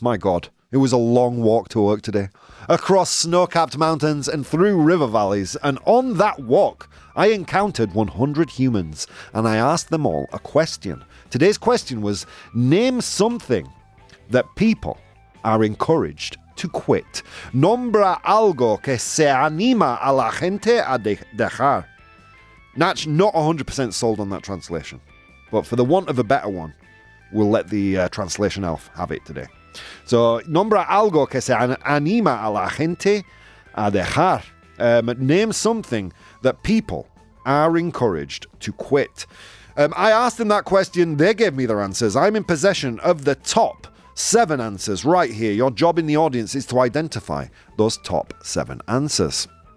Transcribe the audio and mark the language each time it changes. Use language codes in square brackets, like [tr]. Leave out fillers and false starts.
[en] My God, it was a long walk to work today. Across snow-capped mountains and through river valleys. And on that walk, I encountered 100 humans. And I asked them all a question. Today's question was, name something that people are encouraged to quit. [es] Nombra algo que se anima a la gente a dejar. [en] Natch, not 100% sold on that translation. But for the want of a better one, we'll let the translation elf have it today. [es] So, nombra algo que se anima a la gente a dejar. [en] Name something that people are encouraged to quit. I asked them that question. They gave me their answers. I'm in possession of the top 7 answers right here. Your job in the audience is to identify those top 7 answers.